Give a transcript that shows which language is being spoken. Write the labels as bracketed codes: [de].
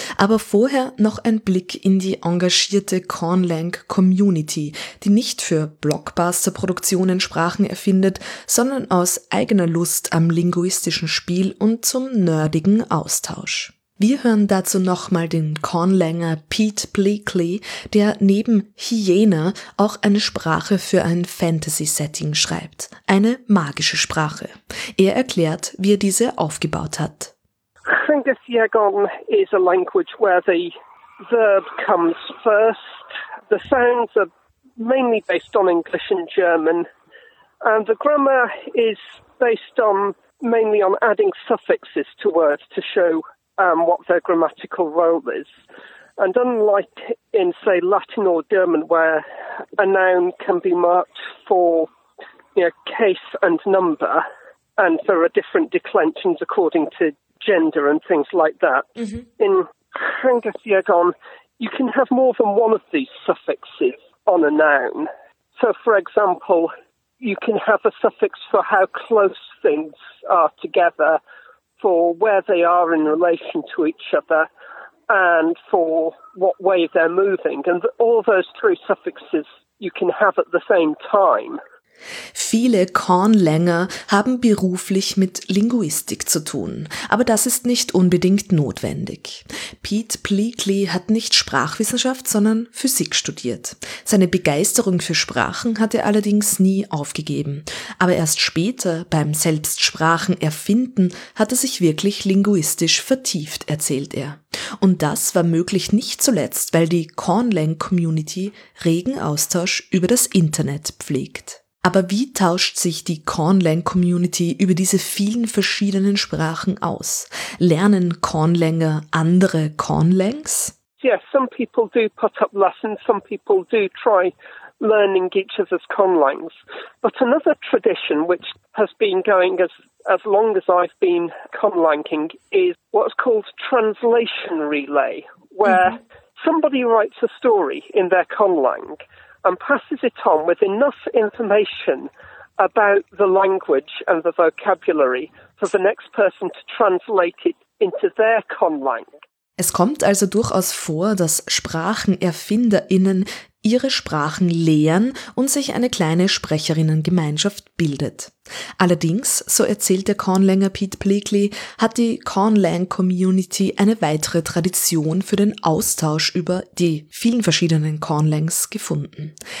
[de] Aber vorher noch ein Blick in die engagierte Conlang-Community, die nicht für Blockbuster-Produktionen Sprachen erfindet, sondern aus eigener Lust am linguistischen Spiel und zum nerdigen Austausch. Wir hören dazu nochmal den Conlanger Pete Bleakley, der neben Hyena auch eine Sprache für ein Fantasy-Setting schreibt. Eine magische Sprache. Er erklärt, wie er diese aufgebaut hat. [en] I think the Theogon is a language where the verb comes first. The sounds are mainly based on English and German. And the grammar is based on mainly on adding suffixes to words to show what their grammatical role is. And unlike in, say, Latin or German, where a noun can be marked for, you know, case and number, and there are different declensions according to gender and things like that, mm-hmm. In Hrungathiagon, you can have more than one of these suffixes on a noun. So, for example, you can have a suffix for how close things are together, for where they are in relation to each other, and for what way they're moving. And all those three suffixes you can have at the same time. [de] Viele Kornlänger haben beruflich mit Linguistik zu tun, aber das ist nicht unbedingt notwendig. Pete Bleakley hat nicht Sprachwissenschaft, sondern Physik studiert. Seine Begeisterung für Sprachen hat er allerdings nie aufgegeben, aber erst später beim Selbstsprachenerfinden hat er sich wirklich linguistisch vertieft, erzählt er. Und das war möglich nicht zuletzt, weil die Kornlang-Community regen Austausch über das Internet pflegt. Aber wie tauscht sich die Kornlang-Community über diese vielen verschiedenen Sprachen aus? Lernen Kornlänger andere Kornlangs? [en] Yes, some people do put up lessons, some people do try learning each other's Kornlangs. But another tradition which has been going as long as I've been Kornlanging is what's called translation relay, where somebody writes a story in their Kornlang and passes it on with enough information about the language and the vocabulary for the next person to translate it into their Kornlang. [de] Es kommt also durchaus vor, dass SprachenerfinderInnen ihre Sprachen lehren und sich eine kleine Sprecherinnengemeinschaft bildet. Allerdings, so erzählt der Kornlänger Pete Bleakley, hat die Kornlang-Community eine weitere Tradition für den Austausch über die vielen verschiedenen Kornlangs gefunden.